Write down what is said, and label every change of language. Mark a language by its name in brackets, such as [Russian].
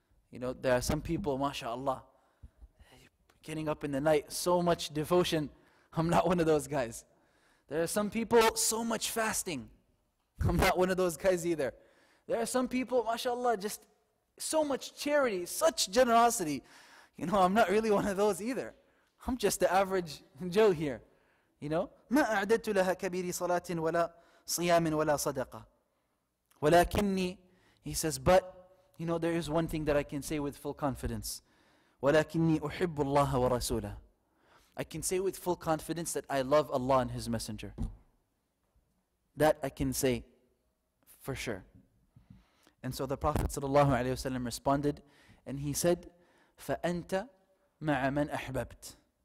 [English] You know, there are some people, mashallah, getting up in the night, so much devotion. I'm not one of those guys. There are some people, so much fasting. I'm not one of those guys either. There are some people, mashallah, just so much charity, such generosity. You know, I'm not really one of those either. I'm just the average Joe here. You know? [Arabic] ما أعددت لها كبير صلاة ولا صيام ولا صدقة. ولكني, [English] he says, but, you know, there is one thing that I can say with full confidence. [Arabic] ولكني أحب الله ورسوله. [English] I can say with full confidence that I love Allah and His Messenger. That I can say for sure. And so the Prophet ﷺ responded, and he said, [Arabic] فَأَنْتَ مَعَ مَنْ أَحْبَبْتَ.